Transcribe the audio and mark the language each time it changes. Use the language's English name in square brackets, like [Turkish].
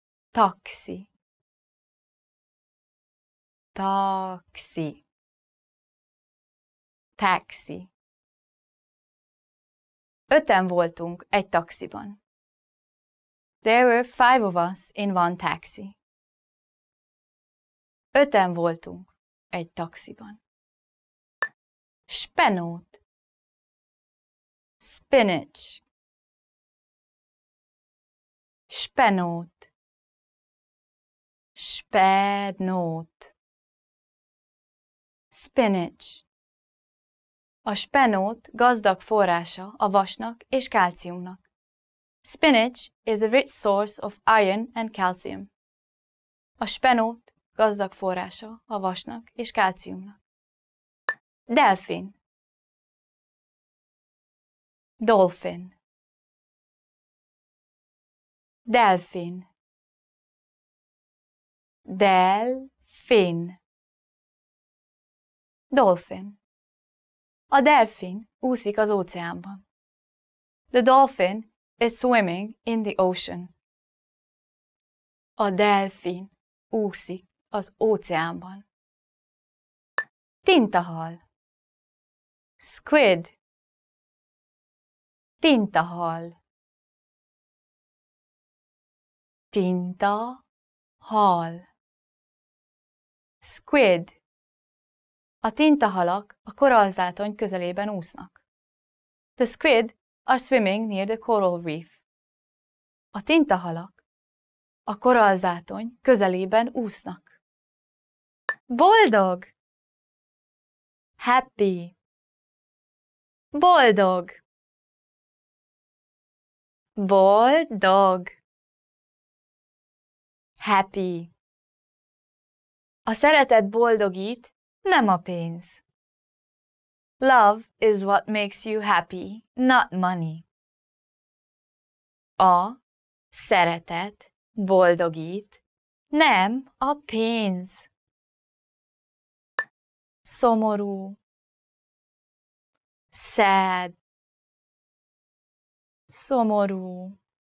[Hungarian] Taxi. Taxi. Taxi. Öten voltunk egy taxiban. [English] There were five of us in one taxi. [Hungarian] Öten voltunk egy taxiban. Spenót. [English] Spinach. [Hungarian] Spenót. Spenót. [English] Spinach. [Hungarian] A spenót gazdag forrása a vasnak és kalciumnak. [English] Spinach is a rich source of iron and calcium. [Hungarian] A spenót gazdag forrása a vasnak és kalciumnak. Delfin. [English] Dolphin. [Hungarian] Delfin. Delfin. [English] Dolphin. [Hungarian] A delfin úszik az óceánban. [English] The dolphin is swimming in the ocean. [Hungarian] A delfin úszik az óceánban. Tintahal. [English] Squid. [Hungarian] Tintahal. Tintahal. [English] Squid. [Hungarian] A tintahalak a korallzátony közelében úsznak. [English] The squid are swimming near the coral reef. [Hungarian] A tintahalak a korallzátony közelében úsznak. Boldog. [English] Happy. [Hungarian] Boldog. Boldog. [English] Happy. [Hungarian] A szeretet boldogít, nem a pénz. [English] Love is what makes you happy, not money. [Hungarian] A szeretet boldogít, nem a pénz. Szomorú. [English] Sad. [Hungarian] Szomorú.